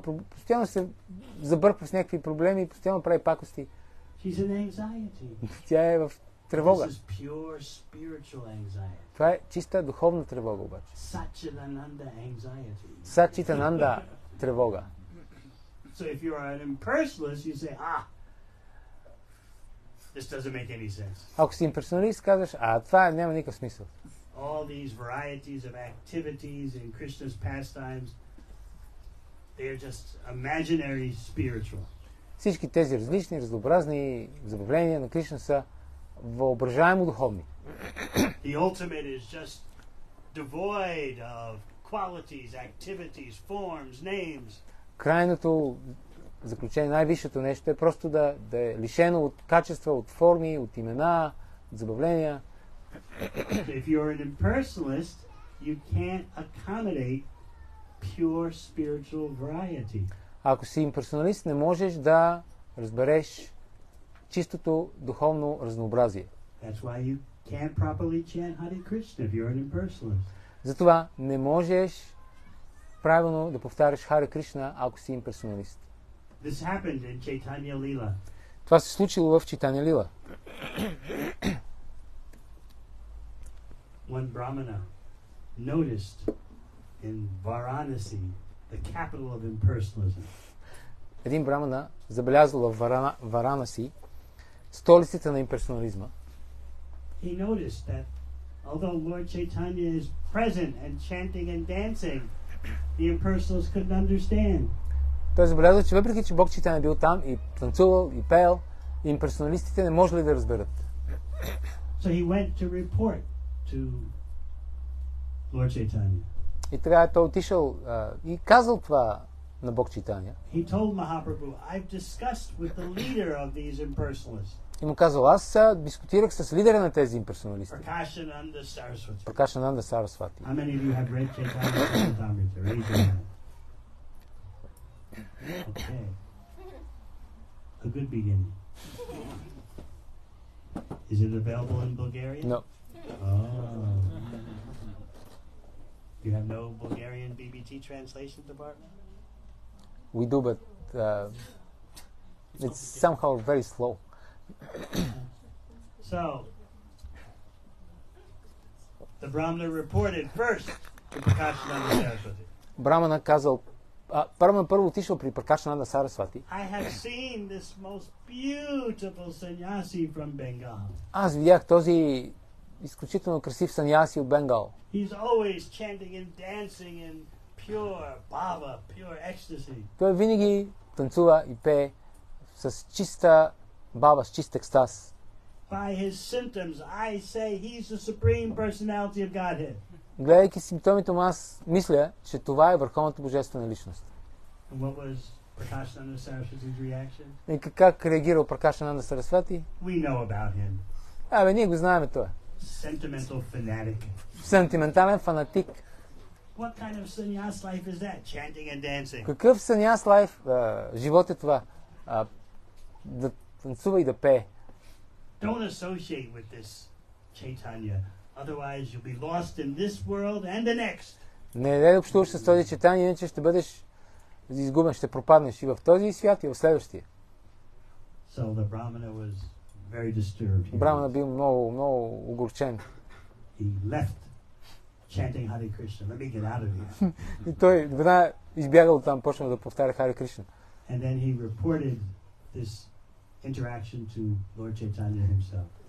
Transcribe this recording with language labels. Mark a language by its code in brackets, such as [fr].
[bg] Постоянно се забърква с някакви проблеми и постоянно прави пакости. [en] She's in anxiety. [bg] Тя е в тревога. [en] This is pure spiritual anxiety. [bg] Това е чиста духовна тревога обаче. [en] Satchitananda anxiety. [bg] Satchitananda тревога. [en] So if you are an impersonalist, you say, ah, this doesn't make any sense. [bg] Ако си имперсоналист, казваш, а това няма никакъв смисъл. [en] All these varieties of activities in Krishna's pastimes, they are just imaginary spiritual. [bg] Всички тези различни, разнообразни забавления на Кришна са въображаемо духовни. [en] The ultimate is just devoid of qualities, activities, forms, names. [bg] Крайното заключение, най-висшето нещо е просто да е лишено от качества, от форми, от имена, от забавления. [en] If you're an impersonalist, you can't accommodate pure spiritual variety. [bg] Ако си имперсоналист, не можеш да разбереш чистото духовно разнообразие. [en] That's why you can't properly chant Hare Krishna if you're an impersonalist. [bg] Затова не можеш правилно да повтаряш Хари Кришна, ако си имперсоналист. [en] This happened in Chaitanya Lila. [bg] Това се случило в Чайтанья Лила. [en] One brahmana noticed in Varanasi, the capital of impersonalism. [bg] Един брамана забелязал в Варанаси, столицата на имперсонализма. [en] He noticed that although Lord Chaitanya is present and chanting and dancing, the impersonals couldn't understand. [bg] Той забелязал, че въпреки че Бог Чайтанья бил там и танцувал и пел, имперсоналистите не можели да разберат. [en] So he went to report to Lord Chaitanya. [bg] И тогава той отишъл и казал това на Бог Чайтанья. [en] He told Mahaprabhu, I've discussed with the leader of these impersonalists. [bg] И му казал, аз дискутирах с лидера на тези имперсоналисти. [en] Prakashananda Saraswati. [bg] Prakashananda Saraswati. [en] How many of you have read Chaitanya Charitamrita? Raise your hand. Okay. A good beginning. Is it available in Bulgaria? No. Oh. You have no Bulgarian BBT translation department? We do, but it's somehow very slow. So, the Brahmana reported first to Prakashananda Saraswati. [bg] Brahmana казал, Brahmana първо отишъл при Prakashananda Saraswati. [en] I have seen this most beautiful sannyasi from Bengal. [bg] Аз видях този изключително красив саньяси от Бенгал. [en] He's always chanting and dancing in pure bhava, pure ecstasy. [bg] Той винаги танцува и пее с чиста бхава, с чист екстаз. [en] By his symptoms, I say he's the supreme personality of Godhead. [bg] Гледайки симптомите му, аз мисля, че това е върховната божествена личност. [en] And what was Prakashananda Saraswati's reaction? [bg] И как реагирал Prakashananda Saraswati? [en] We know about him. [bg] Абе, ние го знаем това. [en] Sentimental fanatic. [bg] Sentimentalen fanatic. [en] What kind of sannyas life is that? Chanting and dancing. [bg] Какъв [en] sannyas life [bg] живот е това? Да Танцувай да пее. [en] Don't associate with this Chaitanya, otherwise you'll be lost in this world and the next. [bg] Не дай да общуваш с този Chaitanya, иначе ще бъдеш изгубен, ще пропаднеш и в този свят, и в следващия. [en] So the Brahmana was very disturbed. [bg] Брахмана бил много, много огорчен. [en] He left chanting Hare Krishna. Let me get out of here. [bg] И той веднага избягал оттам, почнал да повтаря Hare Krishna. [en] And then he reported this interaction to Lord Chaitanya himself.